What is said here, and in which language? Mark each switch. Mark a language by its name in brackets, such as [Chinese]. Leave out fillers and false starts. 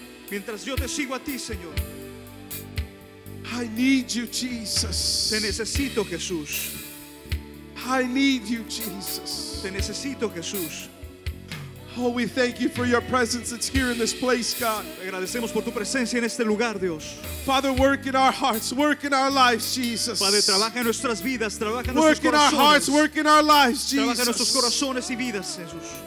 [Spanish] Mientras yo te sigo a ti, Señor. [English] I need you, Jesus. [Spanish] Te necesito, Jesús. [English] I need you, Jesus. [Spanish] Te necesito, Jesús. [English] Oh, we thank you for your presence that's here in this place, God. [Spanish] Agradecemos por tu presencia en este lugar, Dios. [English] Father, work in our hearts, work in our lives, Jesus. [Spanish] Padre, trabaja en nuestras vidas, trabaja en nuestros corazones. [English] Work in our hearts, work in our lives, Jesus. [Spanish] Trabaja en nuestros corazones y vidas, Jesús.